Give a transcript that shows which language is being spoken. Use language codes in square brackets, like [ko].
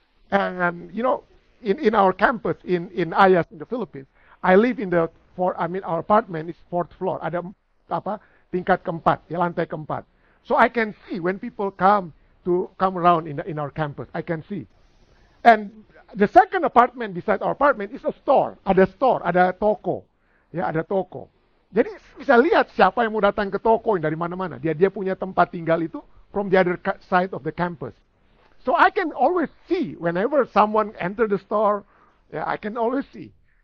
[en] And you know, in our campus, in Ayas, in the Philippines, I live in our apartment is fourth floor. [id] Ada apa? Tingkat keempat, ya, lantai keempat. [en] So I can see when people come around in our campus, I can see. And the second apartment beside our apartment is a store. [id] Ada store, ada toko. Ya, ada toko. Jadi bisa lihat siapa yang mau datang ke toko yang dari mana-mana. Dia punya tempat tinggal itu [en] from the other side of the campus. So I can always see whenever someone enter the store, yeah, I can always see.